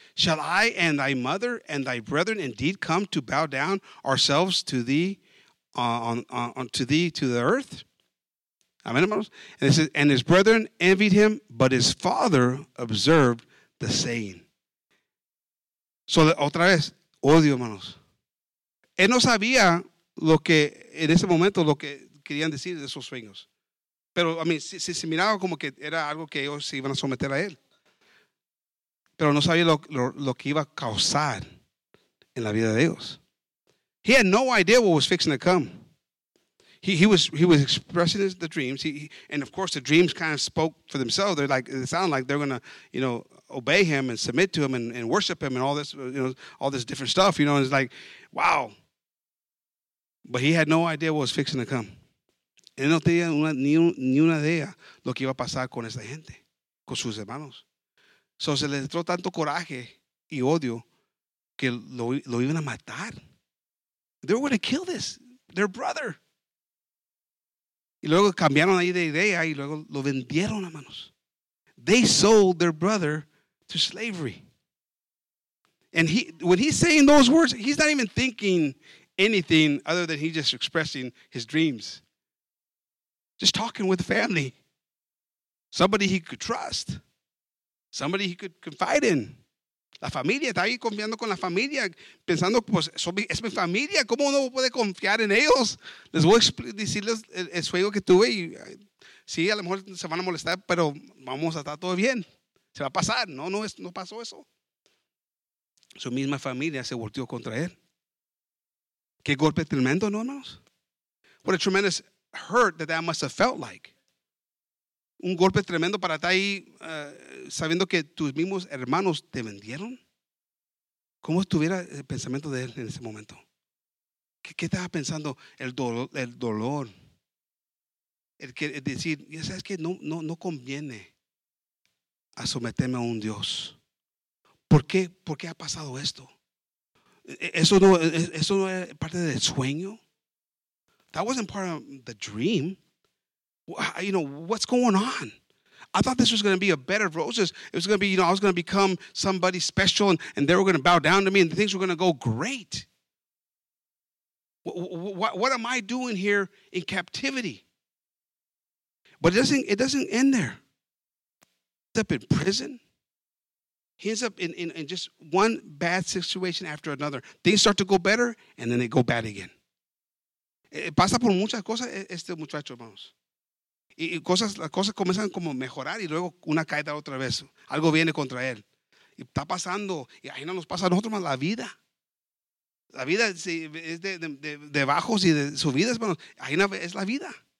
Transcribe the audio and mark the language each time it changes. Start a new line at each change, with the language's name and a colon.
English: Shall I and thy mother and thy brethren indeed come to bow down ourselves to thee to the earth? Amen. And it says, and his brethren envied him, but his father observed the saying.
Spanish: So otra vez, odio, hermanos. Él no sabía lo que en ese momento lo que querían decir de esos sueños. Pero,
English: I mean,
Spanish: si miraba como que era algo que ellos se iban a someter a él. Pero no sabía lo que iba a causar en la vida de ellos.
English: He had no idea what was fixing to come. He was expressing the dreams. And, of course, the dreams kind of spoke for themselves. They're like, it sounded like they're going to, you know, obey him and submit to him and worship him and all this, you know, all this different stuff. You know, and it's like, wow. But he had no idea what was fixing to come.
Spanish: Él no tenía ni una idea lo que iba a pasar con esta gente, con sus hermanos. So se le entró tanto coraje y odio que lo iban a matar.
English: They were going to kill this, their brother.
Spanish: Y luego cambiaron ahí de idea y luego lo vendieron, hermanos.
English: They sold their brother to slavery. And when he's saying those words, he's not even thinking anything other than he's just expressing his dreams. Just talking with family. Somebody he could trust. Somebody he could confide in.
Spanish: La familia. Está ahí confiando con la familia. Pensando, pues, es mi familia. ¿Cómo uno puede confiar en ellos? Les voy a decirles el sueño que tuve. Y sí, a lo mejor se van a molestar, pero vamos a estar todo bien. Se va a pasar. No, no, no pasó eso. Su misma familia se volteó contra él. Qué golpe tremendo, ¿no, hermanos?
English: What a tremendous hurt that that must have felt like.
Spanish: Un golpe tremendo para estar ahí sabiendo que tus mismos hermanos te vendieron. ¿Cómo estuviera el pensamiento de él en ese momento? ¿Qué estaba pensando? El dolor. El decir, ya sabes que no conviene a someterme a un Dios. ¿Por qué ha pasado esto? ¿Eso no es parte del sueño?
English: That wasn't part of the dream. You know, what's going on? I thought this was going to be a bed of roses. It was going to be, you know, I was going to become somebody special and they were going to bow down to me and things were going to go great. What am I doing here in captivity? But it doesn't end there. He ends up in prison. He ends up in just one bad situation after another. Things start to go better and then they go bad again.
Spanish: Pasa por muchas cosas este muchacho, hermanos. Y cosas, las cosas comienzan como a mejorar y luego una caída otra vez. Algo viene contra él. Y está pasando. Y ahí no nos pasa a nosotros más la vida. La vida es de bajos y de subidas, hermanos. Ahí es la vida.